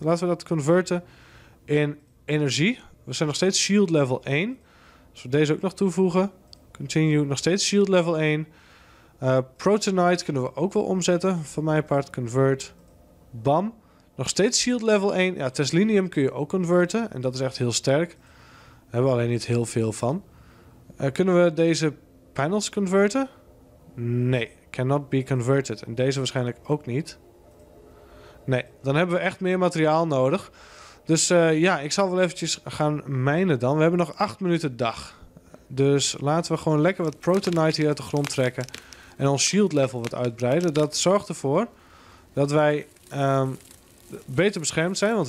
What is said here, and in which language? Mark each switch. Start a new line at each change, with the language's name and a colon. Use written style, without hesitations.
Dutch: Laten we dat converten in energie. We zijn nog steeds shield level 1. Als we deze ook nog toevoegen. Continue, nog steeds shield level 1. Protonite kunnen we ook wel omzetten. Van mijn part, convert. Bam. Nog steeds shield level 1. Ja, Teslinium kun je ook converten. En dat is echt heel sterk. Daar hebben we alleen niet heel veel van. Kunnen we deze panels converten? Nee,
English: cannot be converted.
Dutch: En deze waarschijnlijk ook niet. Nee, dan hebben we echt meer materiaal nodig. Dus ja, ik zal wel eventjes gaan mijnen dan. We hebben nog 8 minuten dag. Dus laten we gewoon lekker wat protonite hier uit de grond trekken. En ons shield level wat uitbreiden. Dat zorgt ervoor dat wij beter beschermd zijn.